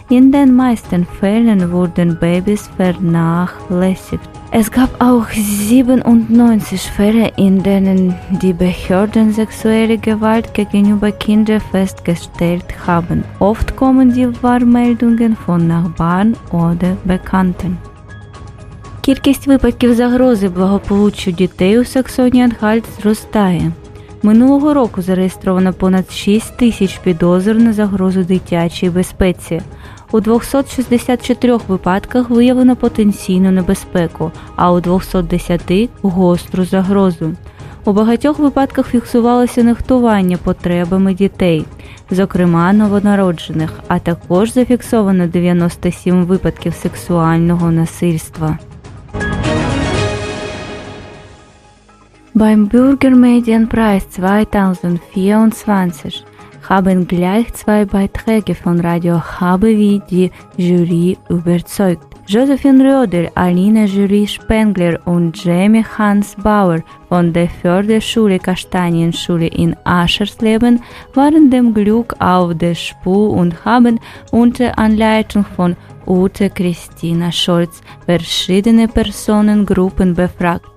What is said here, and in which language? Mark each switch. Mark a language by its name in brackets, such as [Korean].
[German] In den meisten Fällen wurden Babys vernachlässigt. Es gab auch 97 Fälle, in denen die Behörden sexuelle Gewalt gegenüber Kindern festgestellt haben. Oft kommen die Warnmeldungen von Nachbarn oder Bekannten. [Ukrainian] Кількість випадків загрози благополуччю дітей у Саксонії-Анхальт зростає. Минулого року зареєстровано понад 6 тисяч підозр на загрозу дитячій безпеці. У 264 випадках виявлено потенційну небезпеку, а у 210 – гостру загрозу. У багатьох випадках фіксувалося нехтування потребами дітей, зокрема новонароджених, а також зафіксовано 97 випадків сексуального насильства. [German] Beim Bürgermedienpreis 2024 haben gleich zwei Beiträge von Radio HBW die Jury überzeugt. Josephine Röder, Alina Jury Spengler und Jamie Hans Bauer von der Förderschule Kastanienschule in Aschersleben waren dem Glück auf der Spur und haben unter Anleitung von Ute Christina Scholz verschiedene Personengruppen befragt.